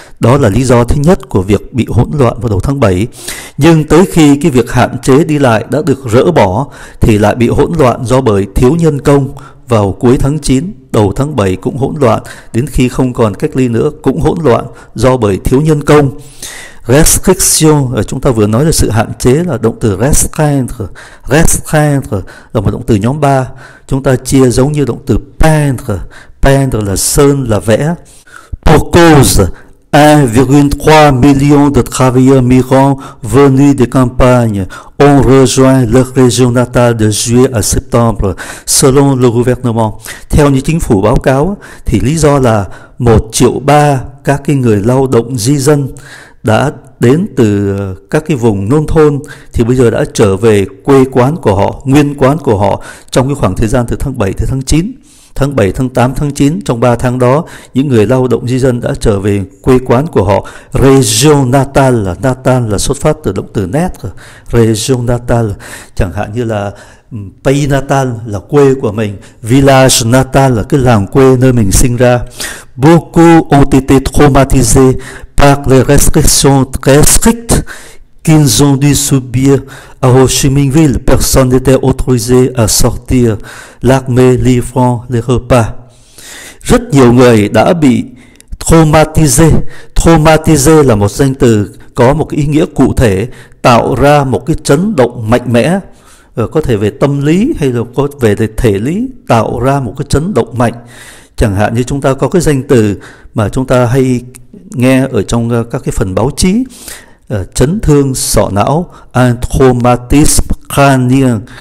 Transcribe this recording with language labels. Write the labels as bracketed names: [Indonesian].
[Vietnamese] Đó là lý do thứ nhất của việc bị hỗn loạn vào đầu tháng 7. Nhưng tới khi cái việc hạn chế đi lại đã được rỡ bỏ thì lại bị hỗn loạn do bởi thiếu nhân công vào cuối tháng 9, đầu tháng 7 cũng hỗn loạn, đến khi không còn cách ly nữa cũng hỗn loạn do bởi thiếu nhân công. Restriction, chúng ta vừa nói là sự hạn chế, là động từ restreindre. Restreindre là một động từ nhóm 3. Chúng ta chia giống như động từ peindre. Peindre là sơn, là vẽ. [French] Pour cause, 1,3 million de travailleurs migrants venus de campagne ont rejoint leur région natale de juillet à septembre, selon le gouvernement. [Vietnamese] Theo như chính phủ báo cáo, thì lý do là 1,3 triệu các cái người lao động di dân đã đến từ các cái vùng nông thôn thì bây giờ đã trở về quê quán của họ, nguyên quán của họ trong cái khoảng thời gian từ tháng 7 tới tháng 9. Tháng 7, tháng 8, tháng 9, trong 3 tháng đó, những người lao động di dân đã trở về quê quán của họ. Région natale, natale là xuất phát từ động từ net. Région natale, chẳng hạn như là [French] pays natal [Vietnamese] là quê của mình, [French] village natal [Vietnamese] là cái làng quê nơi mình sinh ra. [French] Beaucoup ont été traumatisés par les restrictions très strictes qu'ils ont dû subir à Ho Chi Minh Ville. Personne n'était autorisé à sortir. L'armée livrant les repas. [Vietnamese] Rất nhiều người đã bị traumatisé. Traumatisé là một danh từ có một ý nghĩa cụ thể, tạo ra một cái chấn động mạnh mẽ, có thể về tâm lý hay là có về thể lý, tạo ra một cái chấn động mạnh. Chẳng hạn như chúng ta có cái danh từ mà chúng ta hay nghe ở trong các cái phần báo chí, chấn thương sọ não, [French] un traumatisme crânien.